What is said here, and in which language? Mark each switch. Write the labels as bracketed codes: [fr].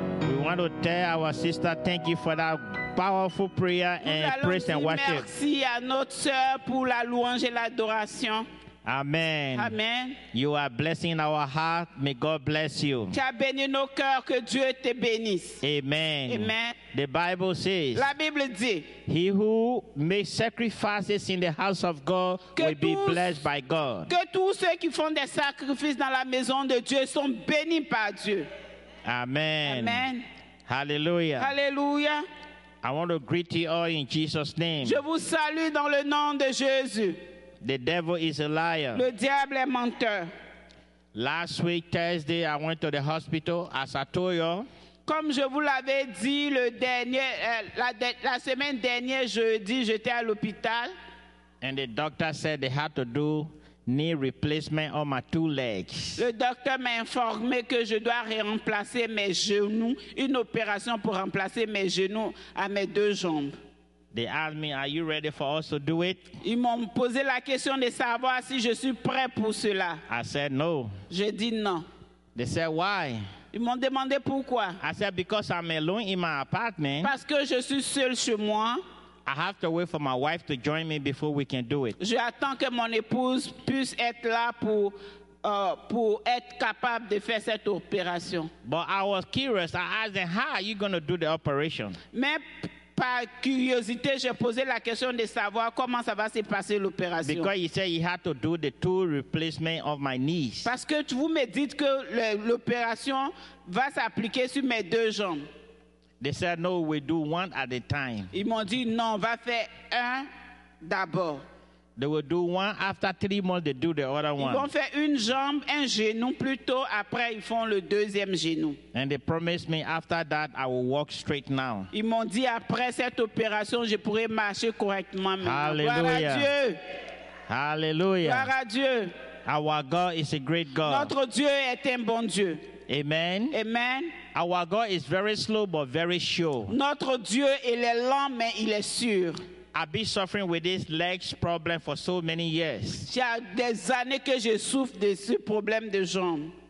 [en] We want to tell our sister thank you for that powerful prayer and praise and worship. [fr] Merci à notre sœur pour la louange et l'adoration. [en] Amen. [fr] Amen. [en] You are blessing our heart. May God bless you. [fr] Tu as béni nos cœurs, que Dieu te bénisse. [en] Amen. [fr] Amen. [en] The Bible says, [fr] la Bible dit, [en] he who makes sacrifices in the house of God will be blessed by God. [fr] Que tous ceux qui font des sacrifices dans la maison de Dieu sont bénis par Dieu. [en] Amen. [fr] Amen. [en] Hallelujah. [fr] Hallelujah. [en] I want to greet you all in Jesus' name. [fr] Je vous salue dans le nom de Jésus. [en] The devil is a liar. [fr] Le diable est menteur. [en] Last week, Thursday, I went to the hospital, as I told you. [fr] Comme je vous l'avais dit, la semaine dernière, jeudi, j'étais à l'hôpital. [en] And the doctor said they had to do knee replacement on my two legs. [fr] Le docteur m'a informé que je dois remplacer mes genoux, une opération pour remplacer mes genoux à mes deux jambes. [en] They asked me, are you ready for us to do it? [fr] Ils m'ont posé la question de savoir si je suis prêt pour cela. [en] I said no. [fr] J'ai dit non. [en] They said why? [fr] Ils m'ont demandé pourquoi. [en] I said because I'm alone in my apartment. [fr] Parce que je suis seul chez moi. [en] I have to wait for my wife to join me before we can do it. [fr] J'attends que mon épouse puisse être là pour être capable de faire cette opération. [en] But I was curious. I asked them, how are you going to do the operation? [fr] Mais par curiosité, j'ai posé la question de savoir comment ça va se passer l'opération. [en] Because he said he had to do the two replacement of my knees. [fr] Parce que vous me dites que l'opération va s'appliquer sur mes deux jambes. [en] They said no, we do one at a time. [fr] Ils m'ont dit non, on va faire un d'abord. [en] They will do one after 3 months. They do the other one. [fr] Ils vont faire une jambe, un genou plutôt. Après, ils font le deuxième genou. [en] And they promised me after that I will walk straight now. [fr] Ils m'ont dit après cette opération, je pourrai marcher correctement. [en] Hallelujah. [fr] Gloire à Dieu. [en] Hallelujah. [fr] Gloire à Dieu. [en] Our God is a great God. [fr] Notre Dieu est un bon Dieu. [en] Amen. [fr] Amen. [en] Our God is very slow but very sure. [fr] Notre Dieu, il est lent mais il est sûr. [en] I've been suffering with this legs problem for so many years. [fr] J'ai des années que je souffre de ce problème de jambes.